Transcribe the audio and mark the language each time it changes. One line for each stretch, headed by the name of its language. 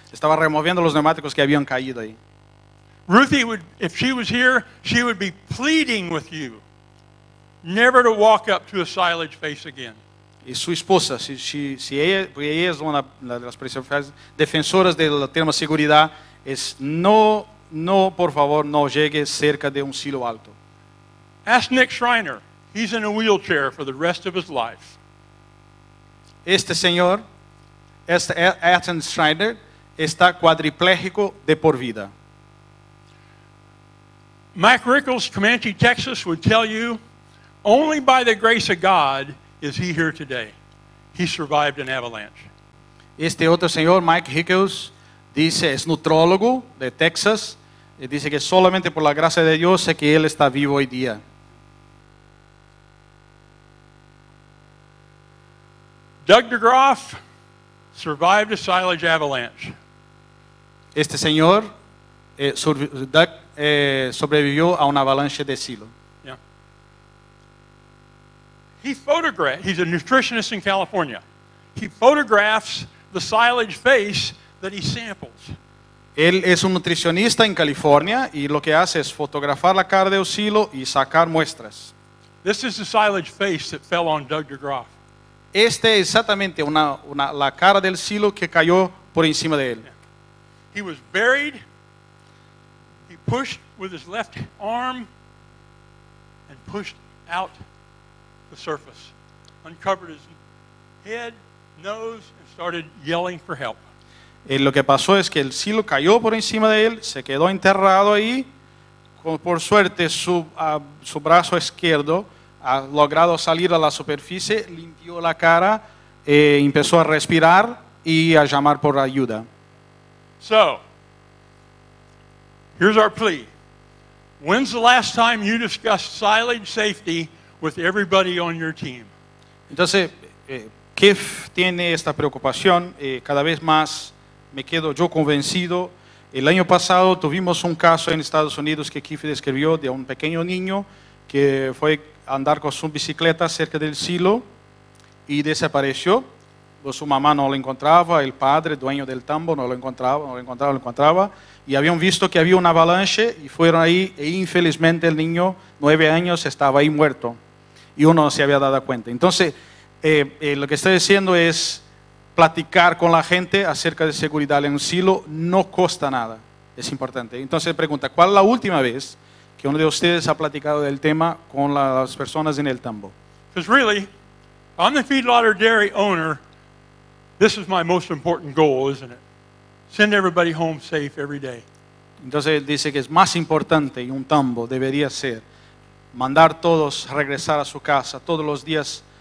Spanish: Estaba removiendo los neumáticos que habían caído ahí.
English: Ruthie, if she was here, she would be pleading with you never to walk up to a silage face again.
Spanish: Y su esposa, si ella, porque ella es una de las principales defensoras del tema seguridad, es no, por favor, no llegue cerca de un silo alto.
English: Ask Nick Schreiner. He's in a wheelchair for the rest of his life.
Spanish: Este señor, Ethan Schreiner, está cuadripléjico de por vida.
English: Mac Rickles, Comanche, Texas, would tell you, only by the grace of God is he here today. He survived an avalanche.
Spanish: Este otro señor, Mike Rickles, dice, es nutrólogo de Texas, y dice que solamente por la gracia de Dios es que él está vivo hoy día.
English: Doug DeGroff survived a silage avalanche.
Spanish: Este señor, Doug, sobrevivió a una avalancha de silo.
English: Yeah. He's a nutritionist in California. He photographs the silage face that he samples.
Spanish: Él es un nutricionista en California y lo que hace es fotografar la cara del silo y sacar muestras.
English: This is the silage face that fell on Doug DeGroff.
Spanish: Este es exactamente la cara del silo que cayó por encima de él.
English: He was buried. He pushed with his left arm and pushed out the surface. Uncovered his head, nose, and started yelling for help.
Spanish: Y lo que pasó es que el silo cayó por encima de él, se quedó enterrado ahí. Por suerte, su brazo izquierdo ha logrado salir a la superficie, limpió la cara, empezó a respirar y a llamar por ayuda.
English: So, here's our plea. When's the last time you discussed silage safety with everybody on your team?
Spanish: Entonces, Kiff tiene esta preocupación. Cada vez más me quedo yo convencido. El año pasado tuvimos un caso en Estados Unidos que Kiff describió de un pequeño niño que fue andar con su bicicleta cerca del silo y desapareció. Pues su mamá no lo encontraba, el padre, dueño del tambo, no lo encontraba. Y habían visto que había una avalanche y fueron ahí e infelizmente el niño, 9 años, estaba ahí muerto. Y uno no se había dado cuenta. Entonces, lo que estoy diciendo es platicar con la gente acerca de seguridad en un silo no cuesta nada. Es importante. Entonces pregunta, ¿cuál es la última vez que uno de ustedes ha platicado del tema con las personas en el tambo?
English: Because really, I'm the feedlot or dairy owner. This is my most important goal, isn't it? Send everybody home safe every day.
Spanish: Entonces dice que es más importante y un tambo debería ser mandar todos regresar a su casa todos los días